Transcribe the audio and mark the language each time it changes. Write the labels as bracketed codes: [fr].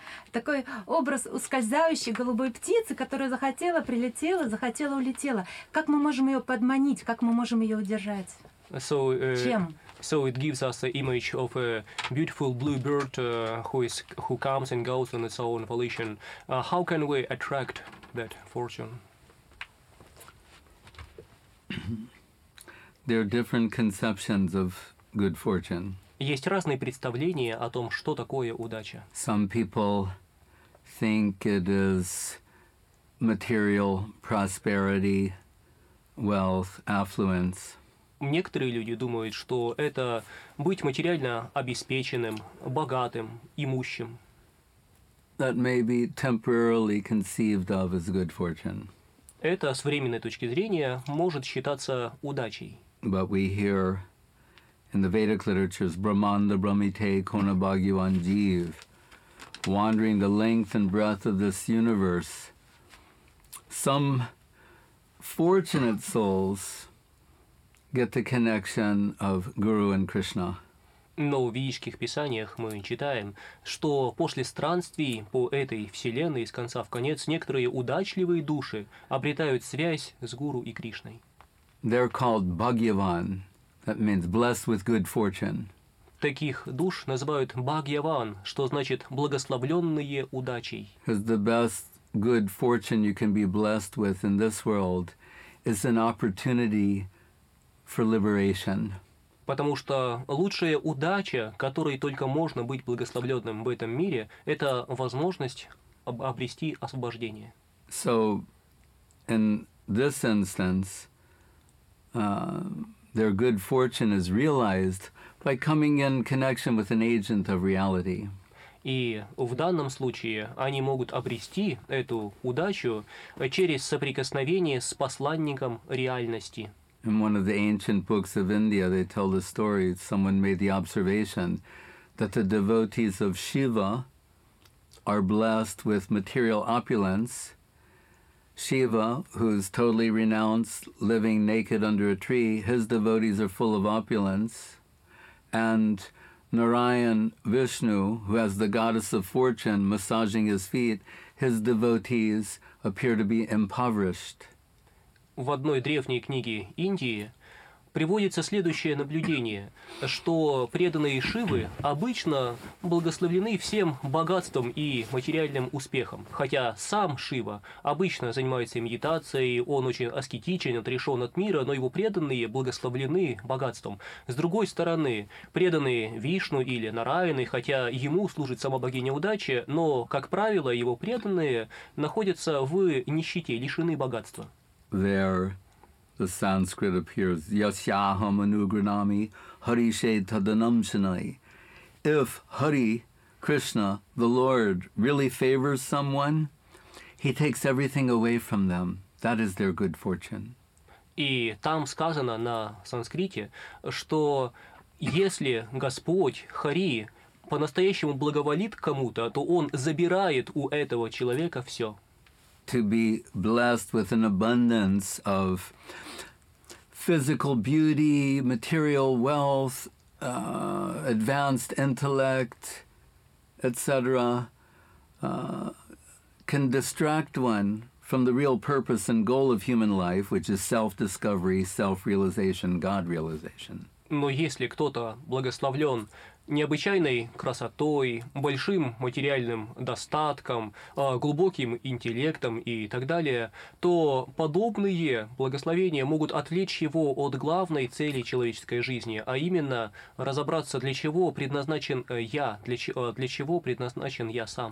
[ru] Такой образ ускользающей голубой птицы, которая захотела, улетела. Как мы можем ее подманить, как мы можем ее удержать? Чем? [en] So it gives us the image of a beautiful blue bird who comes and goes on its own volition. How can we attract that fortune? There are different conceptions of good fortune. [ru] Есть разные представления о том, что такое удача. [en] Some people think it is material prosperity, wealth, affluence. [ru] Некоторые люди думают, что это быть материально обеспеченным, богатым, имущим. [en] That may be temporarily conceived of as good fortune. [ru] Это с временной точки зрения может считаться удачей. [en] But we hear in the Vedic literatures [bn] Brahmanda Brahmite Kona Bhagyavan Jeev, [en] wandering the length and breadth of this universe, some fortunate souls get the connection of Guru and Krishna. [ru] Но в ведических писаниях мы читаем, что после странствий по этой вселенной из конца в конец некоторые удачливые души обретают связь с Гуру и Кришной. [en] They're called Bhagyavan, that means blessed with good fortune. [ru] Таких душ называют Бхагьяван, что значит благословленные удачей. [en] Because the best good fortune you can be blessed with in this world is an opportunity for liberation. [ru] Потому что лучшая удача, которой только можно быть благословленным в этом мире, это возможность обрести освобождение. [en] So, in this instance, their good fortune is realized by coming in connection with an agent of reality. [ru] И в данном случае они могут обрести эту удачу через соприкосновение с посланником реальности. [en] In one of the ancient books of India, they tell the story, someone made the observation that the devotees of Shiva are blessed with material opulence. Shiva, who's totally renounced, living naked under a tree, his devotees are full of opulence. And Narayan Vishnu, who has the goddess of fortune massaging his feet, his devotees appear to be impoverished. [ru] В одной древней книге Индии приводится следующее наблюдение, что преданные Шивы обычно благословлены всем богатством и материальным успехом. Хотя сам Шива обычно занимается медитацией, он очень аскетичен, отрешен от мира, но его преданные благословлены богатством. С другой стороны, преданные Вишну или Нараяны, хотя ему служит сама богиня удачи, но, как правило, его преданные находятся в нищете, лишены богатства. [en] There, the Sanskrit appears, [sa] yasyaham anugranami harishe tadanamshanai. [en] If Hari, Krishna, the Lord, really favors someone, he takes everything away from them. That is their good fortune. [ru] И там сказано на санскрите, что если Господь, Хари, по-настоящему благоволит кому-то, то он забирает у этого человека все. [en] To be blessed with an abundance of physical beauty, material wealth, advanced intellect, etc., can distract one from the real purpose and goal of human life, which is self-discovery, self-realization, God-realization. [ru] Но если кто-то благословлен необычайной красотой, большим материальным достатком, глубоким интеллектом и так далее, то подобные благословения могут отвлечь его от главной цели человеческой жизни, а именно разобраться, для чего предназначен я, для чего предназначен я сам.